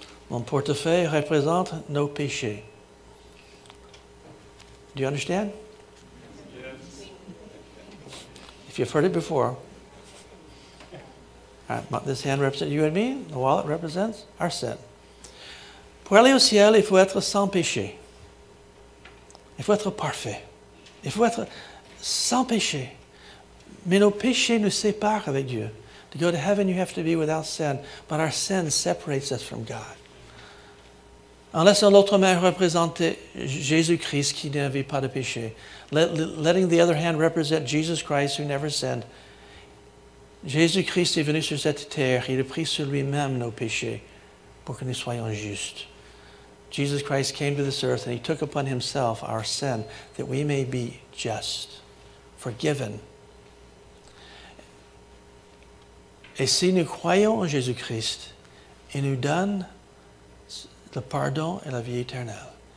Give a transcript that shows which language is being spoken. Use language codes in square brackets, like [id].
[fr] Mon portefeuille représente nos péchés. [en] Do you understand? Yes. If you've heard it before, this hand represents you and me. The wallet represents our sin. [fr] Pour aller au ciel, il faut être sans péché. Il faut être parfait. Il faut être sans péché. Mais nos péchés nous séparent avec Dieu. [en] To go to heaven, you have to be without sin. But our sin separates us from God. [fr] En laissant l'autre main représenter Jésus-Christ qui n'avait pas de péché. [en] Letting the other hand represent Jesus Christ who never sinned. [fr] Jésus-Christ est venu sur cette terre. Il a pris sur lui-même nos péchés pour que nous soyons justes. [en] Jesus Christ came to this earth and he took upon himself our sin that we may be just, forgiven. [fr] Et si nous croyons en Jésus-Christ, il nous donne le pardon et la vie éternelle.